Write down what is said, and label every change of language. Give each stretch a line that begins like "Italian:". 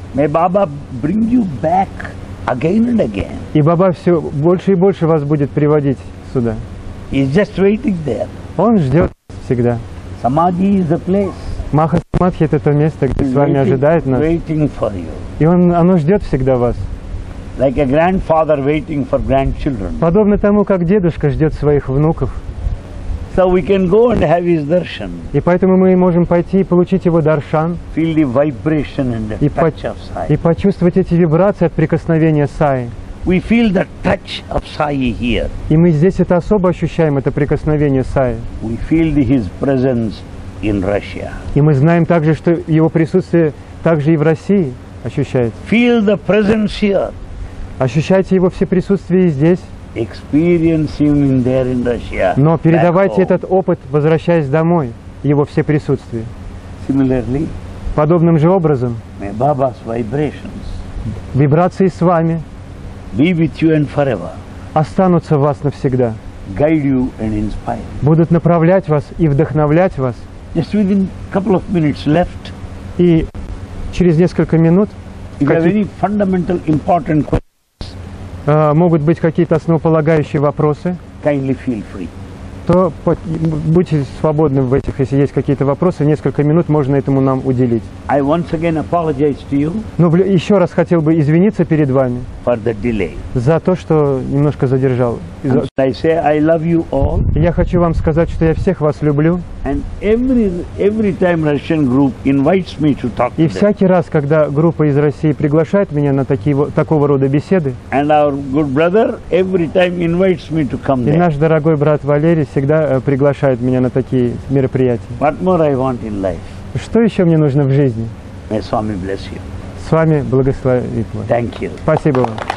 English: May Baba bring you back. Again and again.
Russian: И Баба все больше и больше вас будет приводить сюда.
English: He's just waiting there.
Russian: Он ждет всегда.
English: Samadhi is the place.
Russian: Маха Самадхи – это то место, где
English: He's
Russian: с вами
English: waiting,
Russian: ожидает нас.
English: Waiting for you.
Russian: И оно ждет всегда вас.
English: Like a grandfather waiting for grandchildren.
Russian: Подобно тому, как дедушка ждет своих внуков.
English: So we can go and have his darshan.
Russian: И поэтому мы можем пойти и получить его даршан.
English: Feel the vibration and the touch of Sai.
Russian: И почувствовать эти вибрации от прикосновения Саи.
English: We feel the touch of Sai here.
Russian: И мы здесь это особо ощущаем, это прикосновение Саи.
English: We feel his presence in Russia.
Russian: И мы знаем также, что его присутствие также и в России ощущается.
English: Feel the presence here.
Russian: Ощущайте его все присутствие здесь.
English: experiencing him there in Russia.
Russian: Но передавайте этот опыт, возвращаясь домой, его все присутствие.
English: Similarly,
Russian: подобным же образом,
English: may Baba's vibrations,
Russian: вибрации с вами,
English: be with you and forever,
Russian: останутся в вас навсегда,
English: guide you and inspire,
Russian: будут направлять вас и вдохновлять вас.
English: Just within couple of minutes left,
Russian: и через несколько минут,
English: very fundamental important questions,
Russian: могут быть какие-то основополагающие вопросы.
English: Kindly feel free.
Russian: То будьте свободны в этих, если есть какие-то вопросы, несколько минут можно этому нам уделить.
English: I once again apologize to you.
Russian: Но еще раз хотел бы извиниться перед вами
English: for the delay.
Russian: За то, что немножко задержал.
English: And I say I love you all.
Russian: Я хочу вам сказать, что я всех вас люблю.
English: And every time Russian group invites me to talk.
Russian: И всякий раз, когда группа из России приглашает меня на такого рода беседы.
English: And our good brother every time invites me to come there.
Russian: И наш дорогой брат Валерий всегда приглашает меня на такие мероприятия.
English: What more I want in life?
Russian: Что еще мне нужно в жизни?
English: May Swami bless you.
Russian: С вами благословит вас.
English: Thank you.
Russian: Спасибо вам.